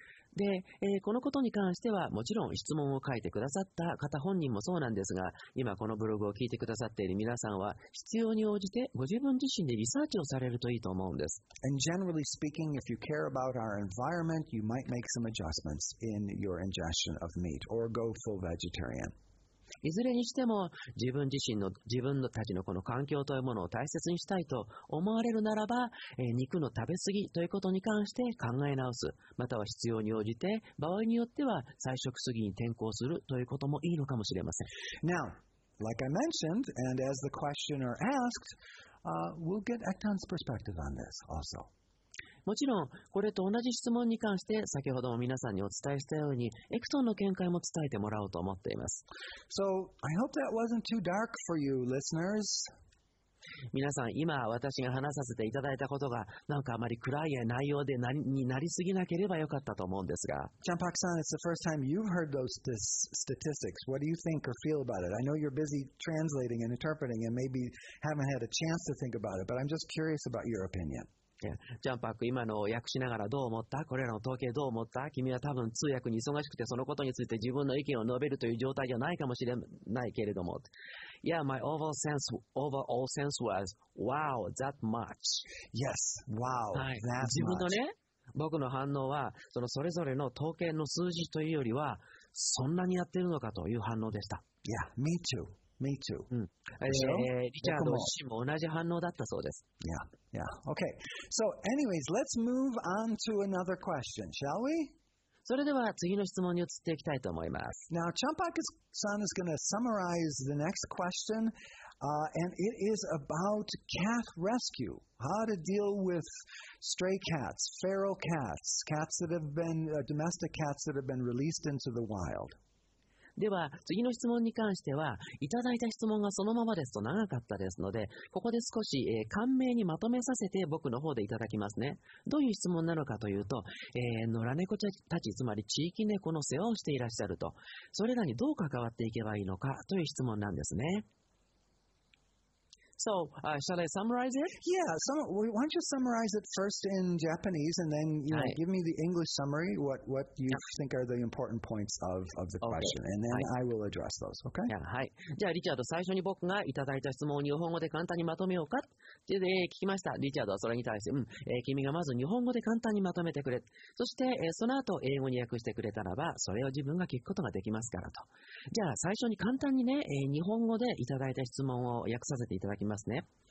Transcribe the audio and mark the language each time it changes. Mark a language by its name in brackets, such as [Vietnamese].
[Japanese] で、このことに関してはもちろん質問を書いてくださった方本人もそうなんですが今このブログを聞いてくださっている皆さんは必要に応じてご自分自身でリサーチをされるといいと思うんです。 [English] And generally speaking, if you care about our environment, you might make some adjustments in your ingestion of meat or go full vegetarian. [Japanese] いずれにしても自分自身の自分たちのこの環境というものを大切にしたいと思われるならば、肉の食べ過ぎということに関して考え直す、または必要に応じて場合によっては菜食主義に転向するということもいいのかもしれません。 [English] Now, like I mentioned, and as the questioner asked, we'll get Ekton's perspective on this also. [Japanese] もちろんこれと同じ質問に関して先ほども皆さんにお伝えしたようにエクトンの見解も伝えてもらおうと思っています。 [English] So, I hope that wasn't too dark for you, listeners. [Japanese] 皆さん今私が話させていただいたことがなんかあまり暗い内容でになりすぎなければよかったと思うんですが [English] Jeonpak-san, it's the first time you've heard those statistics. What do you think or feel about it? I know you're busy translating and interpreting and maybe haven't had a chance to think about it, but I'm just curious about your opinion. [Japanese] ジャンパック今の訳しながらどう思った？これらの統計どう思った？君は多分通訳に忙しくてそのことについて自分の意見を述べるという状態じゃないかもしれないけれども [English] Yeah, my overall sense was Wow, that much Yes, wow, that much、 [Japanese] はい、自分のね、僕の反応は それぞれの統計の数字というよりはそんなにやってるのかという反応でした。 [English] Yeah, me too, me too、 [Japanese] うんリチャード自身も同じ反応だったそうです。 [English] Yeah, yeah. Okay. So, anyways, let's move on to another question, shall we? [Japanese] それでは次の質問に移っていきたいと思います。 [English] Now, Champak-san is going to summarize the next question, and it is about cat rescue. How to deal with stray cats, feral cats, cats that have been, domestic cats that have been released into the wild. [Japanese] では次の質問に関してはいただいた質問がそのままですと長かったですのでここで少し、簡明にまとめさせて僕の方でいただきますね。どういう質問なのかというと、野良猫たちつまり地域猫の世話をしていらっしゃるとそれらにどう関わっていけばいいのかという質問なんですね。 [English] So,shall I summarize it? Yeah, some, why don't you summarize it first in Japanese and then you know, give me the English summary, what you think are the important points of the question, and then I will address those, okay? Yeah, hi. [Japanese] じゃあ、リチャード、最初に僕がいただいた質問を日本語で簡単にまとめようかって聞きました。リチャードはそれに対して、君がまず日本語で簡単にまとめてくれ。そして、その後英語に訳してくれたらば、それを自分が聞くことができますからと。じゃあ、最初に簡単にね、日本語でいただいた質問を訳させていただきますね。